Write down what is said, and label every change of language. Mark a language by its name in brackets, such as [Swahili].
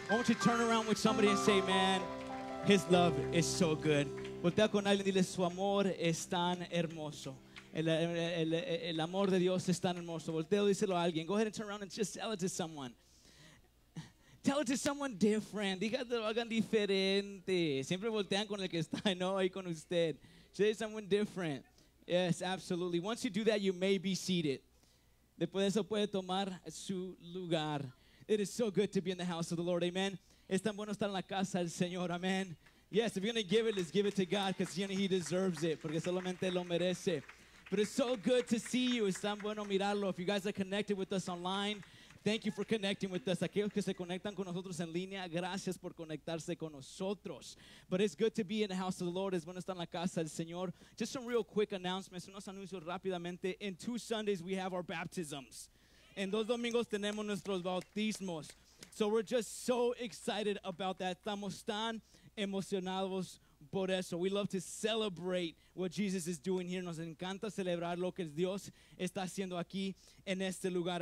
[English] I want you to turn around with somebody and say, man, His love is so good. [Spanish] Voltea con alguien y dile, su amor es tan hermoso. El amor de Dios es tan hermoso. Voltea y díselo a alguien. [English] Go ahead and turn around and just tell it to someone. Tell it to someone different. [Spanish] Dígatelo, hagan diferente. Siempre voltean con el que está, no, ahí con usted. [English] Say someone different. Yes, absolutely. Once you do that, you may be seated. [Spanish] Después de eso puede tomar su lugar. [English] It is so good to be in the house of the Lord. Amen. [Spanish] Es tan bueno estar en la casa del Señor. [English] Amen. Yes, if you're going to give it, let's give it to God because He deserves it. [Spanish] Porque solamente lo merece. [English] But it's so good to see you. [Spanish] Es tan bueno mirarlo. [English] If you guys are connected with us online, thank you for connecting with us. [Spanish] Aquellos que se conectan con nosotros en línea, gracias por conectarse con nosotros. [English] But it's good to be in the house of the Lord. [Spanish] Es bueno estar en la casa del Señor. [English] Just some real quick announcements. [Spanish] Unos anuncios rápidamente. [English] In 2 Sundays, we have our baptisms. [Spanish] En 2 domingos tenemos nuestros bautismos. [English] So we're just so excited about that. [Spanish] Estamos tan emocionados por eso. [English] We love to celebrate what Jesus is doing here. [Spanish] Nos encanta celebrar lo que Dios está haciendo aquí en este lugar.